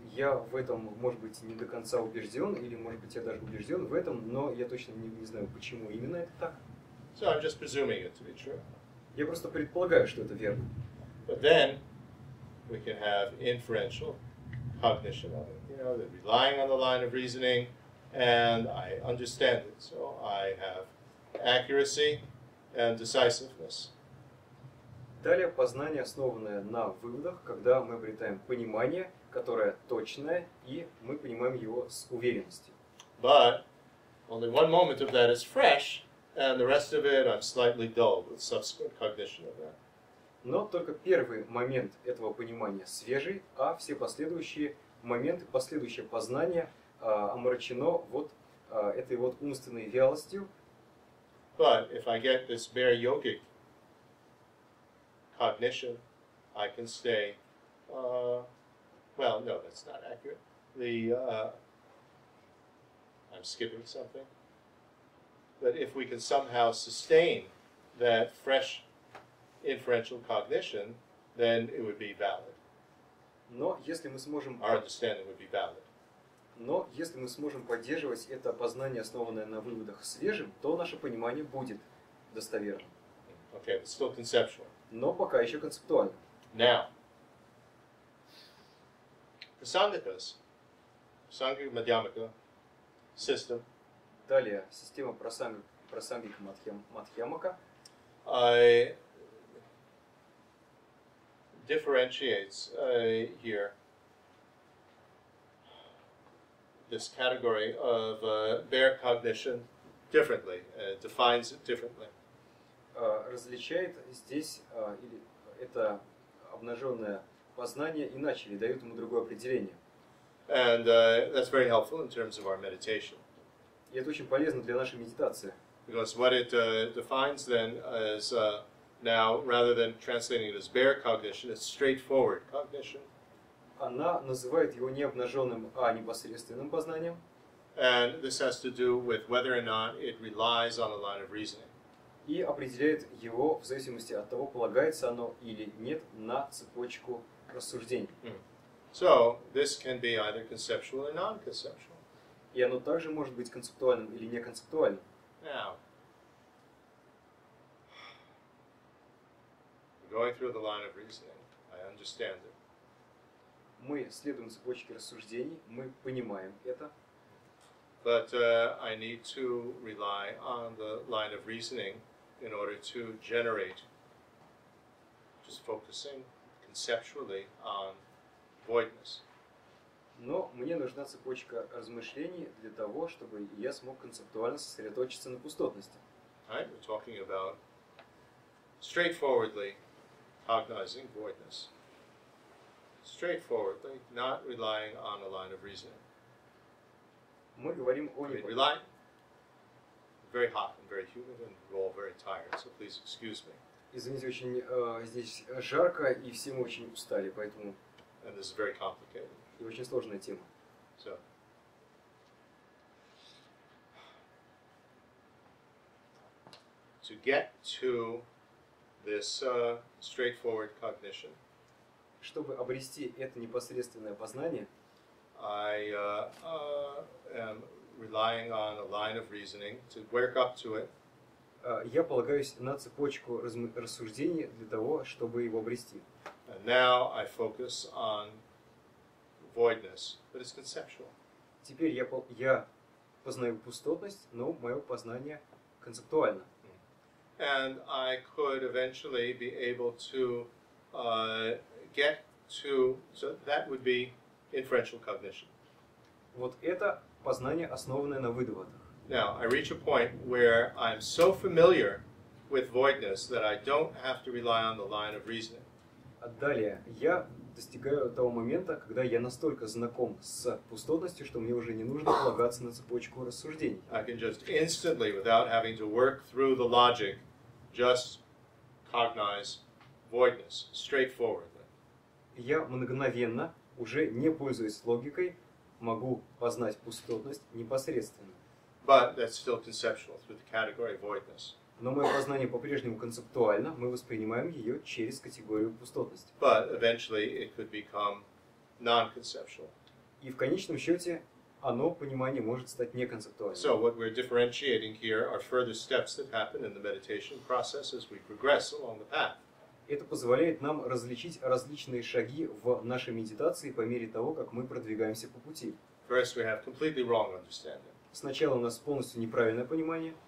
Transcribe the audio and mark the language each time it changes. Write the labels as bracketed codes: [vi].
[ru] Я в этом, может быть, не до конца убежден, или, может быть, я даже убежден в этом, но я точно не знаю, почему именно это так. [en] So I'm just presuming it to be true. [ru] Я просто предполагаю, что это верно. [en] But then we can have inferential cognition of it, you know, that relying on the line of reasoning, and I understand it, so I have accuracy and decisiveness. [ru] Далее познание, основанное на выводах, когда мы обретаем понимание, которое точное, и мы понимаем его с уверенностью. [en] But only one moment of that is fresh, and the rest of it I'm slightly dull with subsequent cognition of that. [ru] Но только первый момент этого понимания свежий, а все последующие моменты, последующее познание омрачено вот этой вот умственной вялостью. [en] But if I get this bare yogic cognition, I can stay, well, no, that's not accurate. I'm skipping something. But if we can somehow sustain that fresh inferential cognition, then it would be valid. [ru] Но если мы сможем... [en] Our understanding would be valid. [ru] Но если мы сможем поддерживать это познание, основанное на выводах свежим, то наше понимание будет достоверным. [en] Okay, but still conceptual. [ru] Но пока еще концептуально. [en] Now, prasangikas, prasangik madhyamika system. [ru] Далее, система prasangik madhyamika. [en] Differentiates here this category of bare cognition differently, defines it differently. [ru] Различает здесь или это обнаженное познание иначе, или дает ему другое определение. [en] And that's very helpful in terms of our meditation. [ru] И это очень полезно для нашей медитации. [en] Because what it defines then is now, rather than translating it as bare cognition, it's straightforward cognition. [ru] Она называет его не обнаженным, а непосредственным познанием. [en] And this has to do with whether or not it relies on a line of reasoning. [ru] И определяет его в зависимости от того, полагается оно или нет на цепочку рассуждений. Mm. [en] So, this can be either conceptual or non-conceptual. [ru] И оно также может быть концептуальным или неконцептуальным. [en] Now, going through the line of reasoning, I understand it. [ru] Мы следуем цепочке рассуждений, мы понимаем это. [en] But I need to rely on the line of reasoning in order to generate, just focusing conceptually on voidness. [ru] Но мне нужна цепочка размышлений для того, чтобы я смог концептуально сосредоточиться на пустотности. [en] Right, we're talking about straightforwardly cognizing voidness. Straightforwardly, not relying on a line of reasoning. [ru] Мы говорим о неподвижности. [en] Very hot and very humid, and we're all very tired, so please excuse me. [ru] Извините, очень здесь жарко, и все мы очень устали, поэтому... [en] And this is very complicated. [ru] И очень сложная тема. [en] So. To get to this this straightforward cognition. [ru] Чтобы обрести это непосредственное познание, [en] I am relying on a line of reasoning to work up to it. [ru] Я полагаюсь на цепочку рассуждений для того, чтобы его обрести. [en] And now I focus on voidness, but it's conceptual. [ru] Теперь я познаю пустотность, но мое познание концептуально. [en] And I could eventually be able to get to, so that would be inferential cognition. [ru] Вот это познание, основанное на выдоводах. [en] Now, I reach a point where I'm so familiar with voidness that I don't have to rely on the line of reasoning. [ru] А далее, я достигаю того момента, когда я настолько знаком с пустотностью, что мне уже не нужно полагаться на цепочку рассуждений. [en] I can just instantly, without having to work through the logic, just cognize voidness straightforwardly. [ru] Я мгновенно, уже не пользуясь логикой, могу познать пустотность непосредственно. [en] But that's still conceptual through the category voidness. [ru] Но мое познание по-прежнему концептуально, мы воспринимаем ее через категорию пустотности. [en] But eventually it could become non-conceptual. [ru] И в конечном счете оно понимание может стать неконцептуальным. [en] So what we're differentiating here are further steps that happen in the meditation process as we progress along the path. [ru] Это позволяет нам различить различные шаги в нашей медитации по мере того, как мы продвигаемся по пути. [en] First we have completely wrong understanding. [ru] Сначала у нас полностью неправильное понимание.